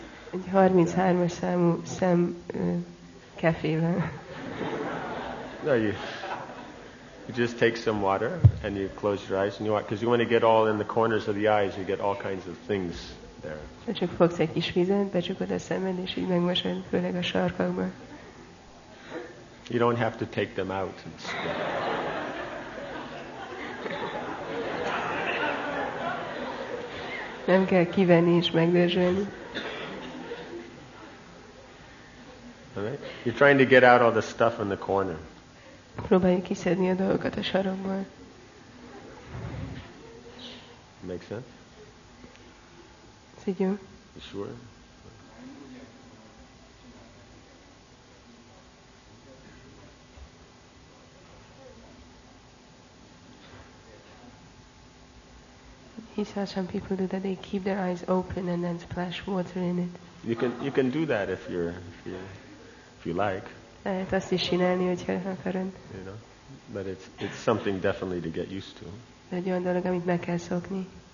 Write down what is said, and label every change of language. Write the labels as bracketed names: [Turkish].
[Hungarian] Egy 33-as számú szem kefével. [English] No, you just take some water and you close your eyes and you want, because you want to get all in the corners of the eyes, you get all kinds of things there. [Hungarian] Csak fogsz egy kis vizet, becsukod a szemed, és így megmosod, főleg a sarkakba. [English] You don't have to take them out. [Hungarian] Nem kell kivenni és megdörzsölni. [English] You're trying to get out all the stuff in the corner. [Hungarian] Próbáljuk kiszedni a dolgokat a sarokból. [English] Make sense? [Hungarian] Ez így jó? [English] You sure? He saw some people do that. They keep their eyes open and then splash water in it. You can do that if you like. [Hungarian] Lehet azt is csinálni, hogyha akarod. [English] You know, but it's something definitely to get used to. [Hungarian] De egy olyan dolog, amit meg kell szokni.